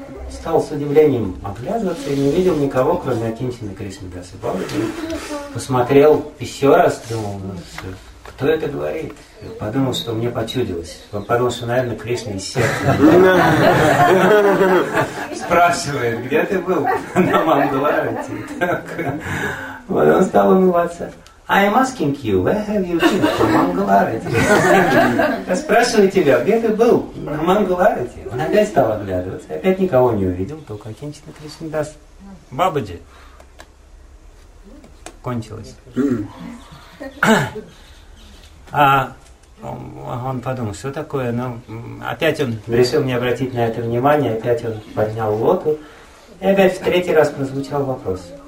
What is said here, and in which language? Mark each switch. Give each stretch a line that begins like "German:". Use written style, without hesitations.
Russian: Стал с удивлением оглядываться и не видел никого, кроме Акинчины Кришны Даса Бабаджи. Посмотрел еще раз, думал, ну все. Кто это говорит? Подумал, что мне почудилось. Подумал, что, наверное, Кришна из сердца. Спрашивает, где ты был на Мангаларати? Вот он стал умываться.
English: I'm asking you, where have you been for Мангаларати?
Russian: Я спрашиваю тебя, где ты был на Мангаларати? Он опять стал оглядываться. Опять никого не увидел, только Акинчина Кришна Дас Бабаджи. Кончилось. А он подумал, что такое, но опять он решил не обратить на это внимания, опять он поднял лоту, и опять в третий раз прозвучал вопрос.